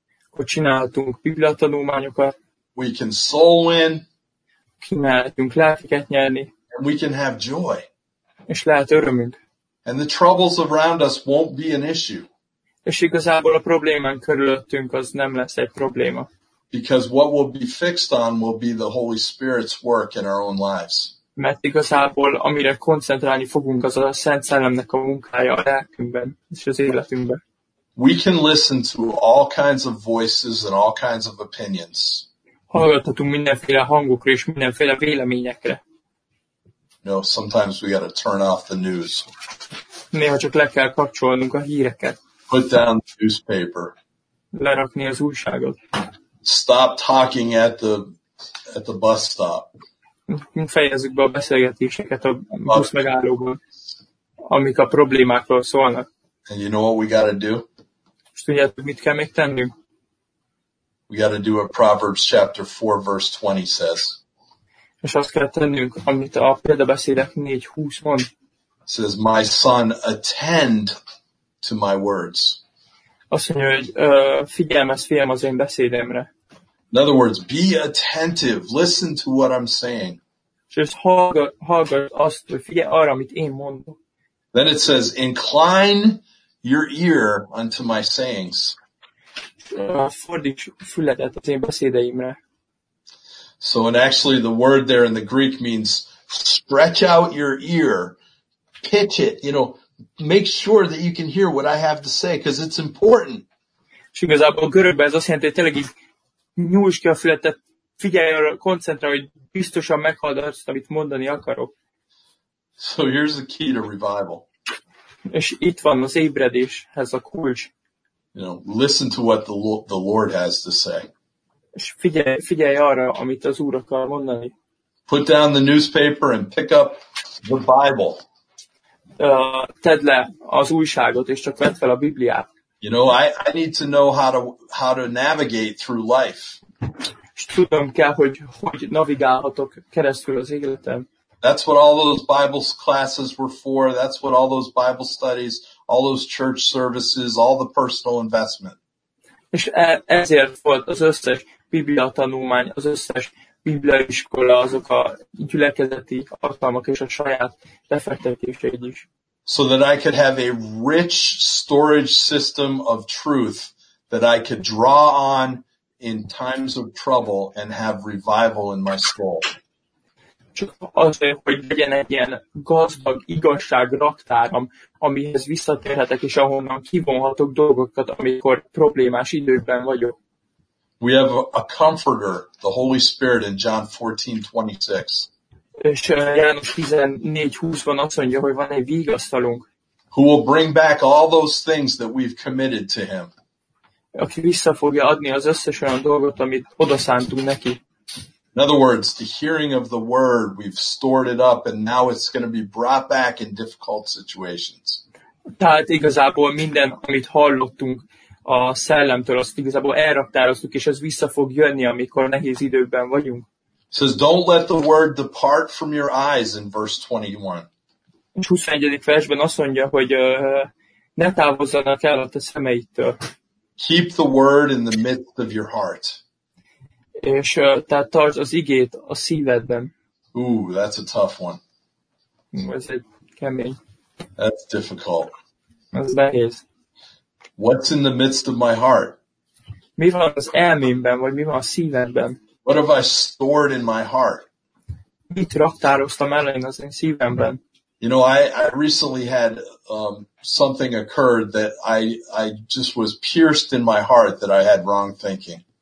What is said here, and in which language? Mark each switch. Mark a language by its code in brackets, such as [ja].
[hu] akkor csinálhatunk Biblia tanulmányokat, [en] we can soul win, [hu] csinálhatunk lelkeket nyerni, [en] we can have joy. [hu] És lehet örömünk. [en] And the troubles around us won't be an issue. [hu] És igazából a problémánk körülöttünk az nem lesz egy probléma. [en] Because what we'll be fixed on will be the Holy Spirit's work in our own lives. [hu] Mert igazából amire koncentrálni fogunk az a Szent Szellemnek a munkája a lelkünkben és az életünkben. [en] We can listen to all kinds of voices and all kinds of opinions. [hu] Hallgathatunk mindenféle hangokra és mindenféle véleményekre. [en] You know, sometimes we got to turn off the news. [hu] Néha csak le kell kapcsolnunk a híreket. [en] Put down the newspaper. [hu] Lerakni az újságot. [en] Stop talking at the bus stop. [hu] Fejezzük be a beszélgetéseket a busz megállóban, amik a problémákról szólnak. [en] And you know what we got to do? [hu] És tudjátok, mit kell még tennünk? [en] We got to do what Proverbs chapter 4 verse 20 says. [hu] És azt kell tennünk, amit a példabeszédek 4:20 mond. [en] Says, my son, attend to my words. [hu] Azt mondja, hogy figyelmez, fiam, az én beszédemre. [en] In other words, be attentive, listen to what I'm saying. [hu] És ezt hallgat azt, hogy figyelj arra, amit én mondom. [en] Then it says, incline your ear unto my sayings. [hu] Fordíts füledet az én beszédeimre. [en] So and actually the word there in the Greek means stretch out your ear, pitch it, you know, make sure that you can hear what I have to say, because it's important. [hu] És igazából a görögben ez azt jelenti, hogy tényleg így nyújts ki a fületet, figyelj arra, koncentrálj, hogy biztosan meghalld azt, amit mondani akarok. [en] So here's the key to revival. [hu] És itt van az ébredéshez a kulcs. [en] You know, listen to what the Lord has to say. [hu] És figyelj arra, amit az Úr akar mondani. [en] Put down the newspaper and pick up the Bible. [hu] Tedd le az újságot, és csak vedd fel a Bibliát. [en] You know, I need to know how to navigate through life. [hu] És tudom kell, hogy navigálhatok keresztül az életem. [en] That's what all those Bible classes were for. That's what all those Bible studies, all those church services, all the personal investment. [hu] És ezért volt az összes Biblia tanulmány, az összes bibliaiskola, azok a gyülekezeti alkalmak és a saját befektetéseid is. [en] so that I could have a rich storage system of truth that I could draw on in times of trouble and have revival in my soul. [hu] Csak azért, hogy legyen egy ilyen gazdag igazság raktáram, amihez visszatérhetek, és ahonnan kivonhatok dolgokat, amikor problémás időkben vagyok. [en] We have a comforter, the Holy Spirit, in John 14:26. [hu] És János 14:20-ban azt mondja, hogy van egy vígasztalunk. [en] Who will bring back all those things that we've committed to him. [hu] Aki vissza fogja adni az összes olyan dolgot, amit odaszántunk neki. [en] In other words, the hearing of the word, we've stored it up and now it's going to be brought back in difficult situations. [hu] Tehát igazából minden, amit hallottunk a szellemtől, azt igazából elraktároztuk, és ez vissza fog jönni, amikor nehéz időkben vagyunk. [en] Says, don't let the word depart from your eyes in verse 21. [hu] És 21. versben azt mondja, hogy ne távozzanak el a szemeidtől. [en] Keep the word in the midst of your heart. [hu] És tehát tartsd az igét a szívedben. [en] Ooh, that's a tough one. [hu] Ez egy kemény. [en] That's difficult. [hu] Ez nehéz. [en] What's in the midst of my heart? [hu] Mi van az elmémben, vagy mi van a szívemben? [en] What have I stored in my heart? [hu] Mit raktároztam el én az én szívemben? [en] You know, I recently had something occurred that I just was pierced in my heart that I had wrong thinking.